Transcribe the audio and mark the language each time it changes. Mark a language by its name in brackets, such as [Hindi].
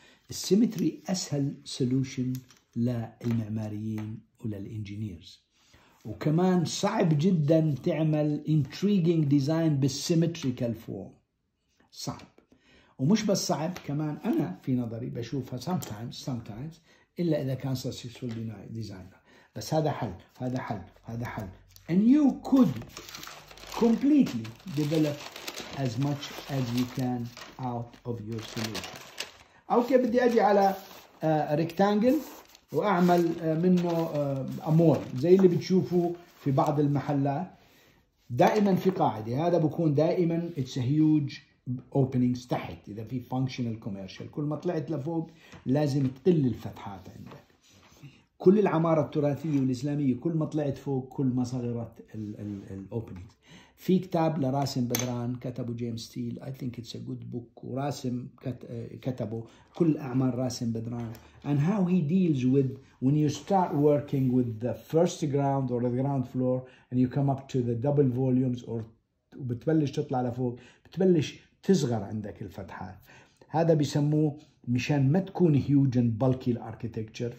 [Arabic] السيمتري أسهل solution للمعماريين وللإنجينيرز, وكمان صعب جدا تعمل [English] intriguing design [Arabic] بالسيمتريكال form. صعب, ومش بس صعب كمان أنا في نظري بشوفها sometimes إلا إذا كان [English] successful designer. [Arabic] بس هذا حل. [English] And you could completely develop as much as you can out of your solution. [Arabic] أوكي, بدي أجي على rectangle وأعمل منه أمور زي اللي بتشوفه في بعض المحلات. دائما في قاعدة هذا بكون دائما [English] it's a huge openings [Arabic] تحت. إذا في [English] functional commercial [Arabic] كل ما طلعت لفوق لازم تقل الفتحات عندك. كل العمارة التراثية والإسلامية كل ما طلعت فوق كل ما صغرت الـ openings. في كتاب لراسم بدران كتبه جيمس ستيل, [English] I think it's a good book, [Arabic] وراسم كتبه كل أعمال راسم بدران [English] and how he deals with when you start working with the first ground or the ground floor and you come up to the double volumes or [Arabic] بتبلش تطلع لفوق بتبلش تصغر عندك الفتحات. هذا بيسموه مشان ما تكون [English] huge and bulky architecture.